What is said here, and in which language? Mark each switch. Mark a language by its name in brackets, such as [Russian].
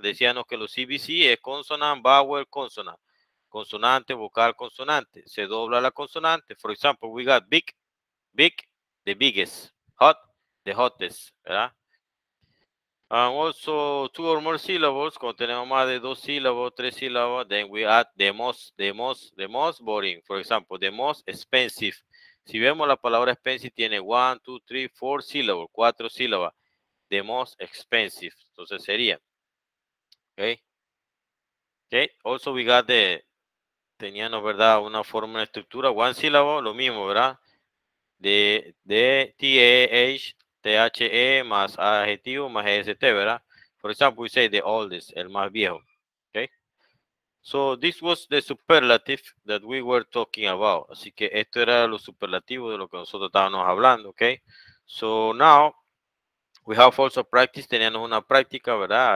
[Spanish] Decíamos que los CVC es [English] consonant, vowel, consonant. [Spanish] Consonante, vocal, consonante. Se dobla la consonante. [English] For example, we got big, big, the biggest. Hot, the hottest, [Spanish] ¿verdad? [English] And also two or more syllables. [Spanish] Cuando tenemos más de dos sílabos, tres sílabos, [English] then we add the most, the most, the most boring. For example, the most expensive. [Spanish] Si vemos la palabra expensive, tiene [English] one, two, three, four syllables, [Spanish] cuatro sílabas. [English] The most expensive. [Spanish] Entonces sería. [English] Okay. Okay. Also we got the. [Spanish] Teníamos, ¿verdad? Una forma de estructura. [English] One syllable. [Spanish] Lo mismo, ¿verdad? De T-A-H-T-H-E más adjetivo más E-S-T, ¿verdad? [English] For example, we say the oldest. [Spanish] El más viejo. [English] Okay. So this was the superlative that we were talking about. [Spanish] Así que esto era lo superlativo de lo que nosotros estábamos hablando. Okay. [English] So now. We have also practiced, [Spanish] teníamos una práctica, ¿verdad?